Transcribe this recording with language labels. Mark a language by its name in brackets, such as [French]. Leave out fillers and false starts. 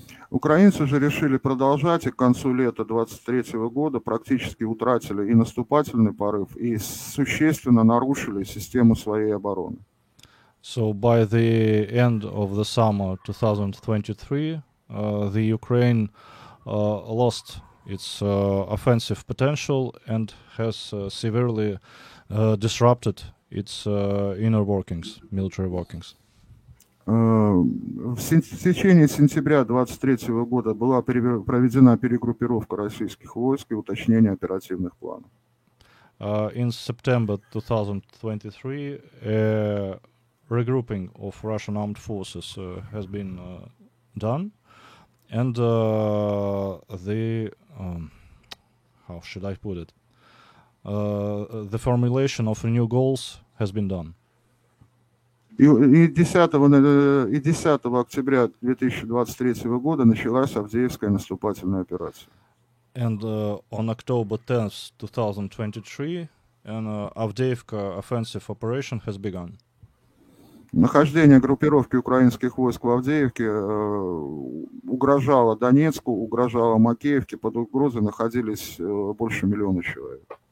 [Russian] Украинцы же решили продолжать, и к концу лета 23-го года практически утратили и наступательный порыв, и существенно нарушили систему своей обороны. [English] So by the end of the summer 2023, the Ukraine lost its offensive potential and has severely disrupted its inner workings, military workings. [Russian] В течение сентября 23-го года была проведена перегруппировка российских войск и уточнение оперативных планов. [English] In September 2023, a regrouping of Russian armed forces has been done, and the how should I put it? The formulation of new goals has been done. [Russian] И 10 октября 2023 года началась Авдеевская наступательная операция. [English] And on October 10th, 2023, an Avdeevka offensive operation has begun. [Russian] Нахождение группировки украинских войск в Авдеевке угрожало Донецку, угрожало Макеевке, под угрозой находились больше миллиона человек.